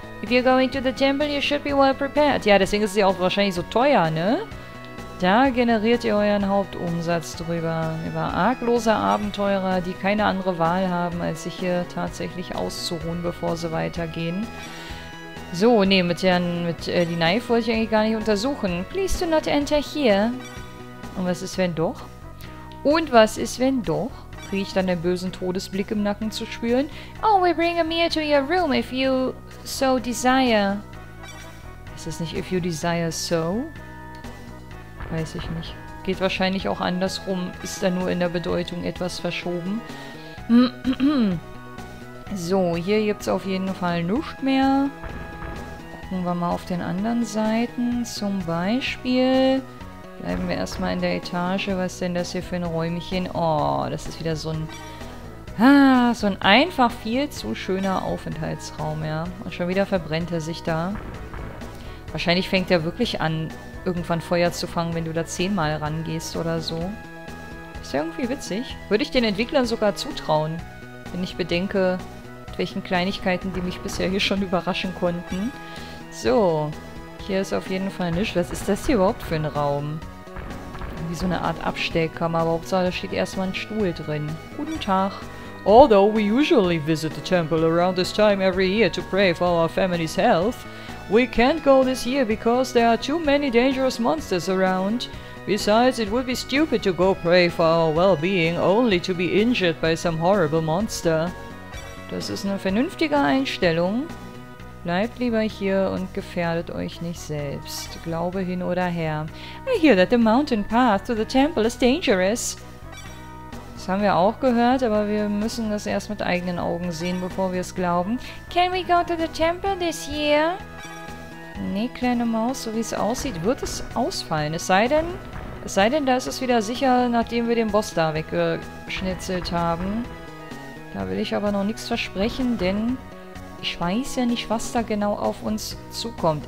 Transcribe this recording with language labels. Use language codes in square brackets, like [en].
[en] If you're going to the temple, you should be well prepared. [de] Ja, deswegen ist sie auch wahrscheinlich so teuer, ne? Da generiert ihr euren Hauptumsatz drüber. Über arglose Abenteurer, die keine andere Wahl haben, als sich hier tatsächlich auszuruhen, bevor sie weitergehen. So, nee, die Knife wollte ich eigentlich gar nicht untersuchen. [en] Please do not enter here. [de] Und was ist, wenn doch? Und was ist, wenn doch? Kriege ich dann den bösen Todesblick im Nacken zu spüren? [en] Oh, we bring a meal to your room if you so desire. [de] Ist das nicht [en] if you desire so? [de] Weiß ich nicht. Geht wahrscheinlich auch andersrum. Ist da nur in der Bedeutung etwas verschoben. So, hier gibt es auf jeden Fall nichts mehr. Gucken wir mal auf den anderen Seiten. Zum Beispiel... Bleiben wir erstmal in der Etage. Was ist denn das hier für ein Räumchen? Oh, das ist wieder so ein einfach viel zu schöner Aufenthaltsraum, ja. Und schon wieder verbrennt er sich da. Wahrscheinlich fängt er wirklich an, irgendwann Feuer zu fangen, wenn du da 10-mal rangehst oder so. Ist ja irgendwie witzig. Würde ich den Entwicklern sogar zutrauen, wenn ich bedenke, mit welchen Kleinigkeiten die mich bisher hier schon überraschen konnten. So. Hier ist auf jeden Fall nichts. Was ist das hier überhaupt für ein Raum? Irgendwie so eine Art Abstellkammer, aber hauptsache, da steht erstmal ein Stuhl drin. Guten Tag. [en] Although we usually visit the temple around this time every year to pray for our family's health, we can't go this year because there are too many dangerous monsters around. Besides, it would be stupid to go pray for our well-being only to be injured by some horrible monster. [de] Das ist eine vernünftige Einstellung. Bleibt lieber hier und gefährdet euch nicht selbst. Glaube hin oder her. [en] I hear that the mountain path to the temple is dangerous. [de] Das haben wir auch gehört, aber wir müssen das erst mit eigenen Augen sehen, bevor wir es glauben. [en] Can we go to the temple this year? [de] Nee, kleine Maus, so wie es aussieht, wird es ausfallen. Es sei denn, da ist es wieder sicher, nachdem wir den Boss da weggeschnitzelt haben. Da will ich aber noch nichts versprechen, denn... Ich weiß ja nicht, was da genau auf uns zukommt.